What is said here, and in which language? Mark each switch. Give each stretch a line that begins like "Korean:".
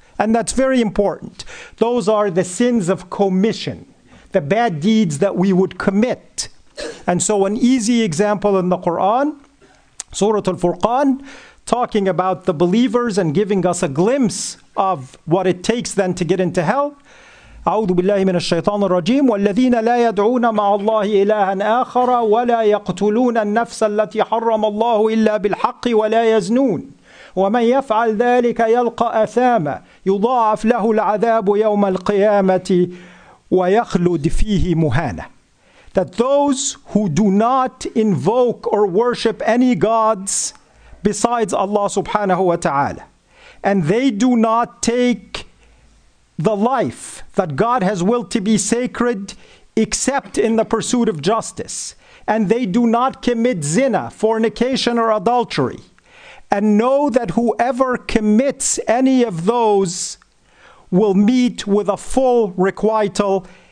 English: And that's very important. Those are the sins of commission, the bad deeds that we would commit. And so an easy example in the Quran, Surah Al-Furqan, talking about the believers and giving us a glimpse of what it takes then to get into hell.
Arabic: أعوذ بالله من الشيطان الرجيم والذين لا يدعون مع الله إلها آخر ولا يقتلون النفس التي حرم الله إلا بالحق ولا يزنون ومن يفعل ذلك يلقى أثاما يضاعف له العذاب يوم القيامة ويخلد فيه مهانا.
English: That those who do not invoke or worship any gods besides Allah subhanahu wa ta'ala, and they do not take the life that God has willed to be sacred except in the pursuit of justice, and they do not commit zina, fornication, or adultery, and know that whoever commits any of those will meet with a full requital.